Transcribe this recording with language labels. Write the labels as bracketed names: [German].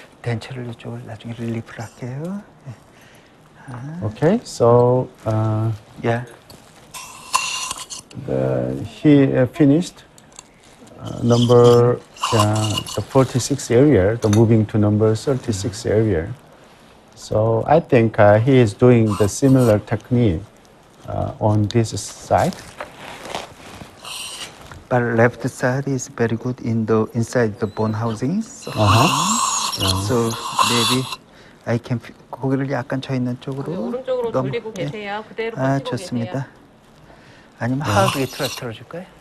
[Korean] 덴처를 이쪽을 나중에 릴리프를 할게요. [English] Okay, so finished number 46 area, the moving to number 36 area. So I think he is doing the similar technique on this side. But left side is very good in the inside the bone housings. So maybe I can. [Korean] 고개를 약간 저 있는 쪽으로. 네, 오른쪽으로 넘, 돌리고 계세요. 예. 그대로 보시고 계세요. 아, 좋습니다. 계세요. 아니면 하 위트로 틀어줄까요?